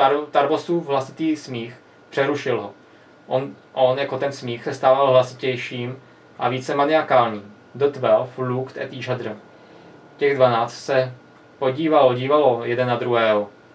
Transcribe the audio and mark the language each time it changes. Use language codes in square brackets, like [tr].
[cs] Tarbosův hlasitý smích přerušil ho. On jako ten smích se stával hlasitějším a více maniakálním. [en] The 12 looked at each other. [cs] Těch 12 se dívalo jeden na druhého.